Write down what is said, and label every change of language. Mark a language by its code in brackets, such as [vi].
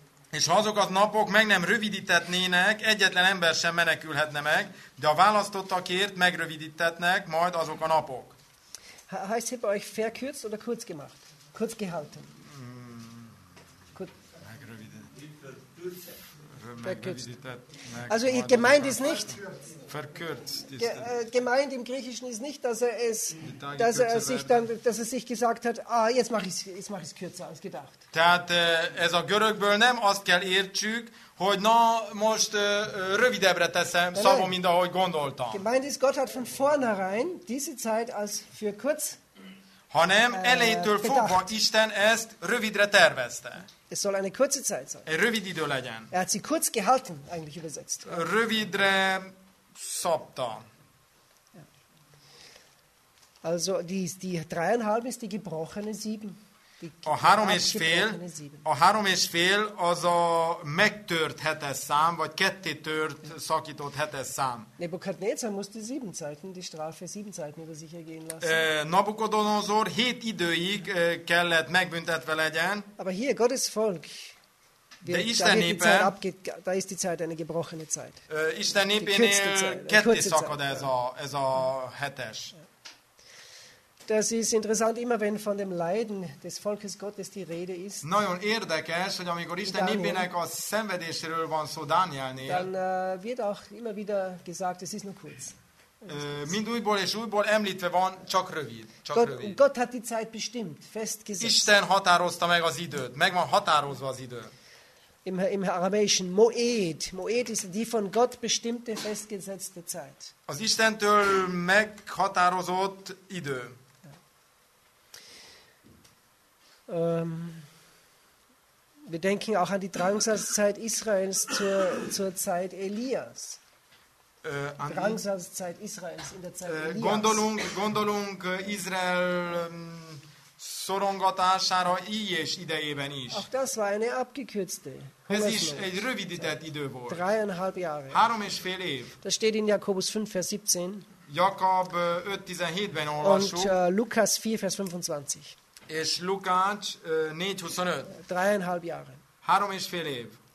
[hu] És ha azok a napok meg nem rövidítetnének, egyetlen ember sem menekülhetne meg, de a választottakért megrövidítetnek majd azok a napok. [de] Heißt hier bei euch verkürzt oder kurz gemacht? Kurz gehalten. [hu] Megrövidített. [de] Also gemeint ist nicht verkürzt. Gemeint im Griechischen ist nicht, dass er sich gesagt hat, ah, jetzt mach ich's kürzer als gedacht. [hu] Tehát ez a görögből nem azt kell értsük, hogy na most rövidebbre teszem szavom, mint ahogy gondoltam. [de] Gemeint ist, Gott hat von vornherein diese Zeit als für kurz. [hu] Hanem elejétől fogva Isten ezt rövidre tervezte. [de] Es soll eine kurze Zeit sein. [hu] Egy rövid idő legyen. [de] Er hat sie kurz gehalten, eigentlich übersetzt. [hu] Rövidre szabta. [de] Also die dreieinhalb ist die gebrochene sieben. [hu] A három és fél, a három és fél az a megtört hetes szám, vagy ketté tört, szakított hetes szám. [de] Nebukadnezar musste sieben Zeiten, die Strafe sieben Zeiten über sich ergehen lassen. [hu] Nabukodonozor hét időig kellett megbüntetve legyen. [de] Aber hier, Gottes Volk, [hu] de Isten népe, [de] da ist die Zeit eine gebrochene Zeit. [hu] Isten népénél ketté szakad ez a hetes. [de] Das ist interessant, immer wenn von dem Leiden des Volkes Gottes die Rede ist. [hu] Nagyon érdekes, hogy amikor Isten népének a szenvedéséről van szó Dánielnél, [de] dann wird auch immer wieder gesagt, es ist nur kurz. [hu] Mind újból és újból említve van, csak rövid. Csak [de] Gott, [hu] rövid. [de] Gott hat die Zeit bestimmt, festgesetzt. [hu] Isten határozta meg az időt, meg van határozva az idő. [de] Im Aramäischen Moed. Moed ist die von Gott bestimmte, festgesetzte Zeit. [hu] Az Istentől meghatározott idő. [de] Wir denken auch an die Drangsalszeit Israels zur Zeit Elias. Drangsalszeit Israels in der Zeit Elias. [hu] Gondolunk Izrael szorongatására Illyés idejében is. [de] Auch das war eine abgekürzte. [hu] Ez is egy rövidített idő volt. [de] Dreieinhalb Jahre. [hu] Három és fél év. [de] Das steht in Jakobus 5, Vers 17. [hu] Jakab 5:17-ben olvasó. [de] Und Lukas 4, Vers 25. [hu] És Lukács 4:25. [de] Dreieinhalb Jahre. [hu] Három és fél év.